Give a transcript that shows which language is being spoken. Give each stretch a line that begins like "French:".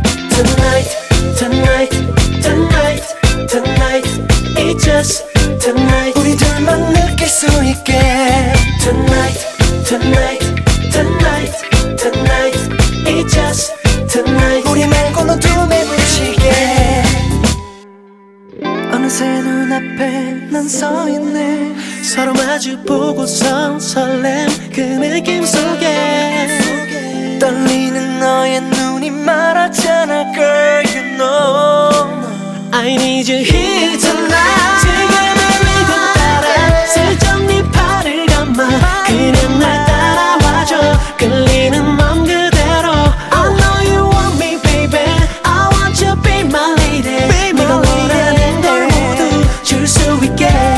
English: Tonight, tonight, tonight, tonight. It's just tonight.
Korean: 우리 둘만 느낄 수 있게.
English: Tonight, tonight, tonight, tonight. It's just tonight.
Korean: 우리 말고는 두매 부시게. 어느새 눈앞에 난 서 있네. 서로 마주 보고선 설렘. 그 느낌 속에 떨리는 너의 눈이 말하잖아.
English: Girl, you know I need you here tonight.
Korean: 지금의 리듬 따라 슬쩍 네 팔을 감아. 그냥 날 따라와줘, 끌리는 맘 그대로.
English: I know you want me, baby. I want you be my lady.
Korean: 네가 원하는 걸 모두 줄 수 있게.